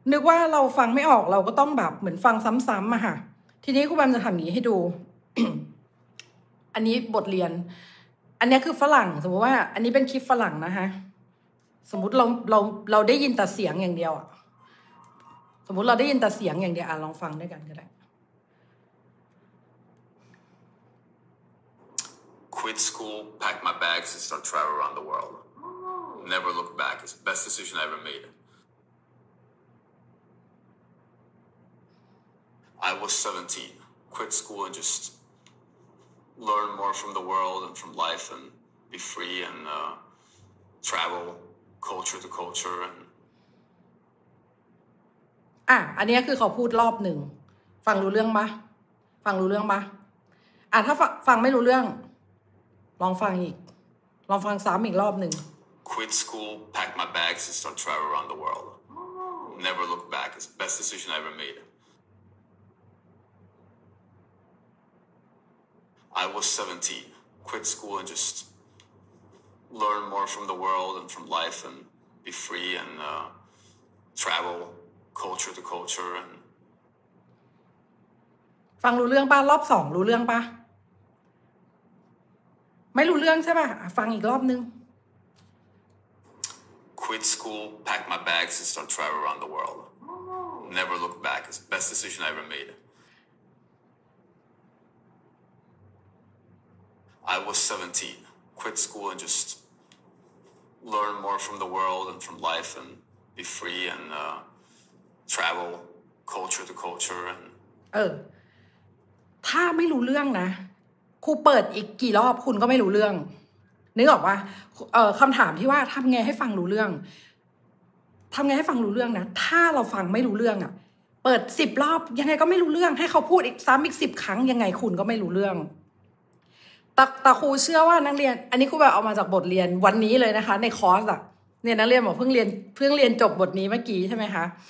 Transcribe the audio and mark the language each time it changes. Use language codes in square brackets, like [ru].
[th] าเราฟังไม่ออกเราก็ต้องแบบเหมือนฟังซ้ำๆอ่ะค่ะทีนี้ครูแบมจะทำอย่างนี้ให้ดู อันนี้บทเรียนอันนี้คือฝรั่งสมมติว่าอันนี้เป็นคลิปฝรั่งนะฮะสมมติเราได้ยินแต่เสียงอย่างเดียวอ่ะสมมติเราได้ยินแต่เสียงอย่างเดียวอ่ะลองฟังด้วยกันก็ได้ [en] Quit school, pack my bags, and start traveling around the world. Oh. Never look back. It's the best decision I ever made. I was 17. Quit school and just learn more from the world and from life and be free and travel culture to culture. And... [th] อันนี้คือเขาพูดรอบหนึ่งฟังรู้เรื่องไหมฟังรู้เรื่องไหมถ้าฟังไม่รู้เรื่องลองฟังอีกลองฟังซ้ำอีกรอบหนึ่ง [en] Quit school, pack my bags, and start traveling around the world. Never look back. It's the best decision I ever made. I was 17. Quit school and just learn more from the world and from life and be free and travel culture to culture. And... [th] ฟังรู้เรื่องป่ะรอบสองรู้เรื่องป่ะไม่รู้เรื่องใช่ป่ะฟังอีกรอบนึง [en] Quit school, pack my bags, and start traveling around the world. Never look back. It's the best decision I ever made. I was 17. Quit school and just learn more from the world and from life and be free and travel culture to culture. And... [th] ถ้าไม่รู้เรื่องนะครูเปิดอีกกี่รอบคุณก็ไม่รู้เรื่องนึกออกป่ะคำถามที่ว่าทำไงให้ฟังรู้เรื่องทำไงให้ฟังรู้เรื่องนะถ้าเราฟังไม่รู้เรื่องอ่ะเปิด10รอบยังไงก็ไม่รู้เรื่องให้เขาพูดอีกซ้ำอีก10ครั้งยังไงคุณก็ไม่รู้เรื่องแต่ครูเชื่อว่านักเรียนอันนี้ครูแบบเอามาจากบทเรียนวันนี้เลยนะคะในคอร์สอ่ะเนี่ยนักเรียนบอกเพิ่งเรียนจบบทนี้เมื่อกี้ใช่ไหมคะ